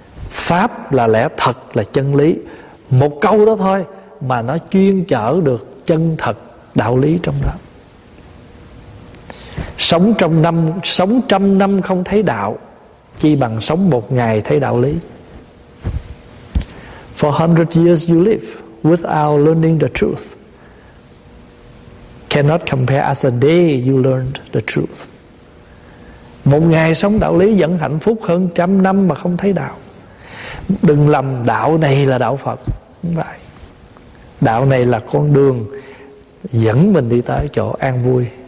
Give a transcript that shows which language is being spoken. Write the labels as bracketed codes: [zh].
[vi] Pháp là lẽ thật, là chân lý. Một câu đó thôi mà nó chuyên chở được chân thật đạo lý trong đó. Sống trong năm, sống trăm năm không thấy đạo, chi bằng sống một ngày thấy đạo lý. [en] For 100 years you live without learning the truth cannot compare as a day you learned the truth. [vi] Một ngày sống đạo lý vẫn hạnh phúc hơn trăm năm mà không thấy đạo. Đừng lầm đạo này là đạo Phật. Đúng vậy. Đạo này là con đường dẫn mình đi tới chỗ an vui.